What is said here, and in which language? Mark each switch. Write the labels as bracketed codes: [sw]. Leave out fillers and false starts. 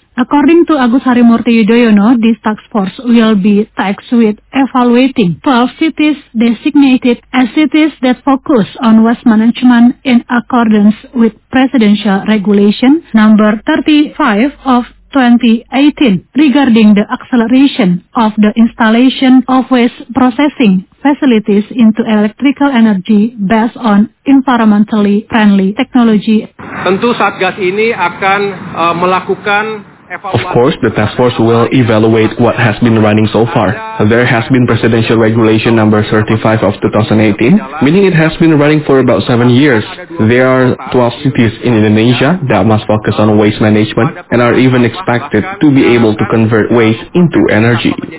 [en] According to Agus Harimurti Yudhoyono, this task force will be tasked with evaluating 12 cities designated as cities that focus on waste management in accordance with Presidential Regulation Number 35 of 2018 regarding the acceleration of the installation of waste processing facilities into electrical energy based on environmentally friendly technology. [id] Tentu Satgas ini akan melakukan. [en] Of course, the task force will evaluate what has been running so far. There has been Presidential Regulation Number 35 of 2018, meaning it has been running for about 7 years. There are 12 cities in Indonesia that must focus on waste management and are even expected to be able to convert waste into energy.